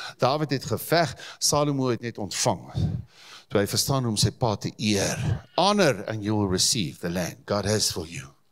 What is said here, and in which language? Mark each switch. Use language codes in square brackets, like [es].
[af] David het geveg, Salomo het net ontvang. Toe hy verstaan om sy pa te eer. [en] Honor and you will receive the land God has for you.